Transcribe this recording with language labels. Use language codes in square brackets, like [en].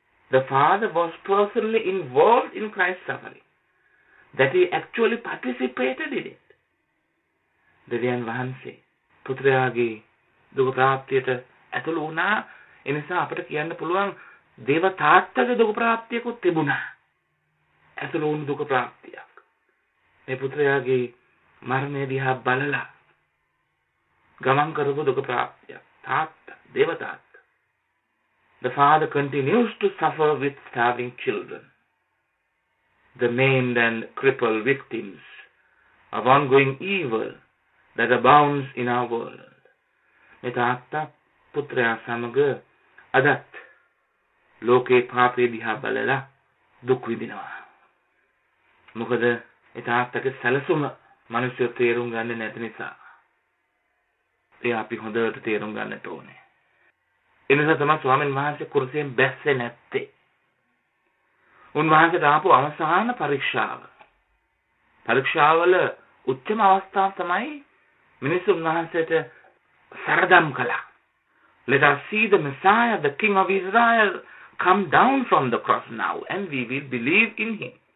[en] The Father was personally involved in Christ's suffering. That he actually participated in it. [si] දෙවියන් වහන්සේ පුත්‍රයාගේ දුක ප්‍රාප්තියට ඇතුළු වුණා. ඒ නිසා අපට කියන්න පුළුවන් දේව තාත්තගේ දුක ප්‍රාප්තියකුත් තිබුණා. ඇතුළු වුණු දුක ප්‍රාප්තියක්. මේ පුත්‍රයාගේ මරණය දිහා බලලා ගමන් කරපු දුක ප්‍රාප්තියක්. තාත්තා, දේව තාත්තා. [en] The father continues to suffer with starving children. The maimed and crippled victims of ongoing evil that abounds in our world. [si] මේ තාත්තා පුත්‍රයා සමග අදත් ලෝකේ පාපේ දිහා බලලා දුක් විඳිනවා. මොකද ඒ තාත්තගේ සැලසුම මිනිස්සු තේරුම් ගන්න නැති නිසා. ඒ අපි හොඳට තේරුම් ගන්නට ඕනේ. එනිසා තමයි ස්වාමීන් වහන්සේ කුරුසියෙන් බැස්සේ නැත්තේ. උන්වහන්සේ දාපු අවසාන පරීක්ෂාව. පරීක්ෂාවල උච්චම අවස්ථාව තමයි මිනිස්සු උන්වහන්සේට සරදම් කළා. [en] Let us see the Messiah, the King of Israel, come down from the cross now and we will believe in him.